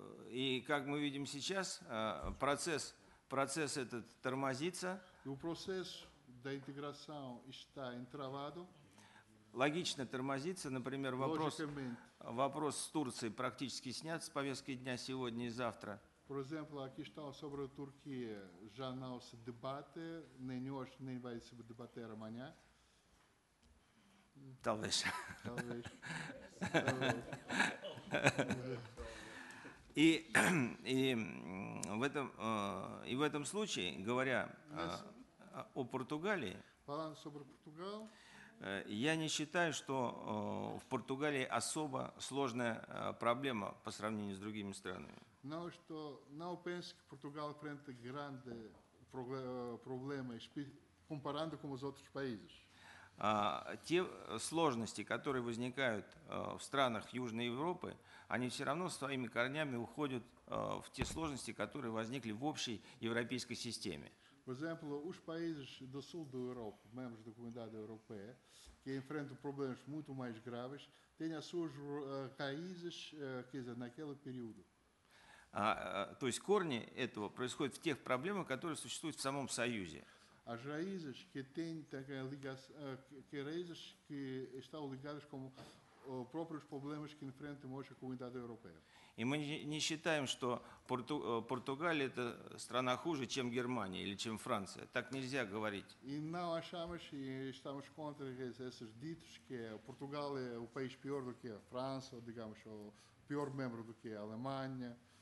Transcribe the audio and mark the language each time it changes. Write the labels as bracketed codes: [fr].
[pt] E, [ru] как мы видим сейчас, процесс этот тормозится. [pt] O processo da integração está entravado. [ru] Логично тормозится, например, вопрос с Турцией практически снят с повестки дня сегодня и завтра. [pt] Por exemplo, a questão sobre a Turquia já não se debate, nem hoje, nem vai se debater amanhã. Talvez. Talvez. [ru] И в этом случае, говоря о Португалии, [pt] falando sobre Portugal, [ru] я не считаю, что в Португалии особо сложная проблема по сравнению с другими странами. [pt] Não penso que Portugal enfrenta grande problema comparando com os outros países. [ru] Те сложности, которые возникают в странах Южной Европы, они все равно своими корнями уходят в те сложности, которые возникли в общей европейской системе. [pt] Por exemplo, os países do sul da Europa, membros da comunidade europeia, que enfrentam problemas muito mais graves, têm as suas raízes, quer dizer, naquele período. [ru] То есть корни этого происходят в тех проблемах, которые существуют в самом Союзе. [pt] As raízes que têm que estão ligadas com os próprios problemas que enfrentam hoje a comunidade europeia. [ru] И мы не считаем, что Португалия – это страна хуже, чем Германия или чем Франция. Так нельзя говорить. И [pt] não achamos, и estamos contra esses ditos, que Portugal é o país pior do que a França, digamos, o pior membro do que a Alemanha.